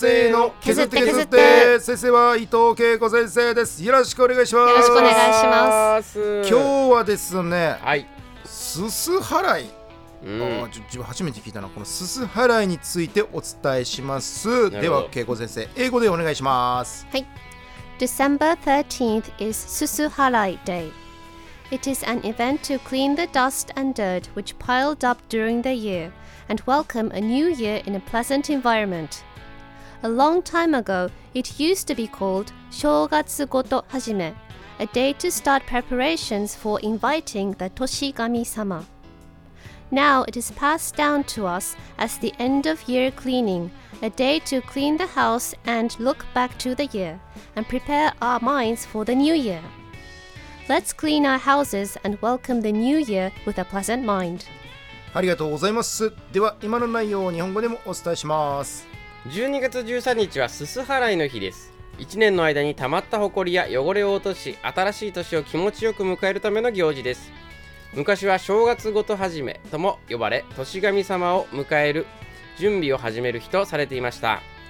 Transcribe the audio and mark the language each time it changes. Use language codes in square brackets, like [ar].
[ja] せーの、削って削っ て, 先生は伊藤恵子先生です。よろしくお願いします。よろしくお願いします。今日はですね、はい、すす払い、うん、あ、自分初めて聞いたな、このすす払いについてお伝えします。では恵子先生、英語でお願いします。はい。 [en] December 13th is すす払い day. It is an event to clean the dust and dirt which piled up during the year and welcome a new year in a pleasant environment. A long time ago, it used to be called 正月ごとはじめ, a day to start preparations for inviting the 年神様。 Now it is passed down to us as the end of year cleaning, a day to clean the house and look back to the year, and prepare our minds for the new year. Let's clean our houses and welcome the new year with a pleasant mind. [ja] ありがとうございます。では今の内容を日本語でもお伝えします。 12月13日はすす払いの日です。1年の間にたまったほこりや汚れを落とし、新しい年を気持ちよく迎えるための行事です。昔は正月ごと始めとも呼ばれ、年神様を迎える準備を始める日とされていました。